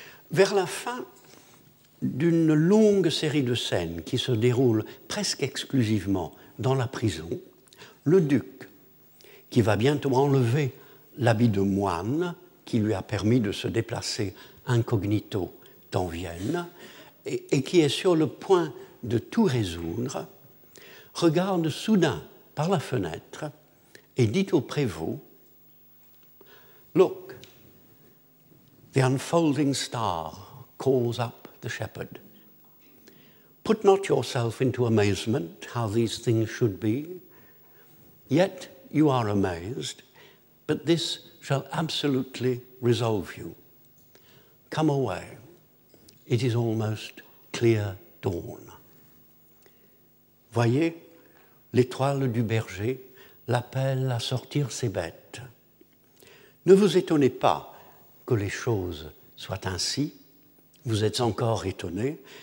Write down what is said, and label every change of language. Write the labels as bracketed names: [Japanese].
[French] Vers la fin d'une longue série de scènes qui se déroulent presque exclusivement dans la prison, le duc, qui va bientôt enlever l'habit de moine qui lui a permis de se déplacer incognito dans Vienne et qui est sur le point de tout résoudre, regarde soudain par la fenêtre et dit au prévôt « [English] Look, the unfolding star calls up the shepherd. Put not yourself into amazement how these things should be, yet you are amazed, but this shall absolutely resolve you. Come away. It is almost clear dawn. [French] » Voyez, l'étoile du berger l'appelle à sortir ses bêtes. Ne vous étonnez pas que les choses soient ainsi. Vous êtes encore étonné,